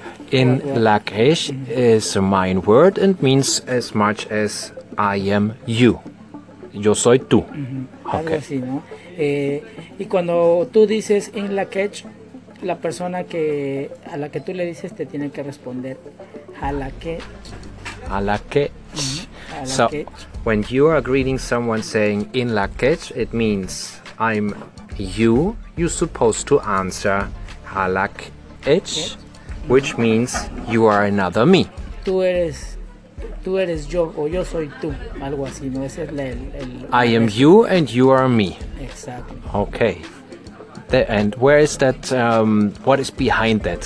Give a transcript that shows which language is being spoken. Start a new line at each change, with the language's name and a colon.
English: In la quech is a Mayan word and means as much as I am you.
Spanish: Yo soy tú. Uh-huh. Okay. Algo así, ¿no? Y cuando tú dices in la quech, la persona que a la que tú le dices te tiene que responder a la que. A la que.
English: So, when you are greeting someone saying in la quech, it means I'm you, you're supposed to answer a la quech, which means you are another me.
Spanish: Tú eres yo, o yo soy tú, algo así, ¿no? Ese es el
English: I am you and you are me.
Spanish: Exacto.
English: Okay. And where is that, what is behind that?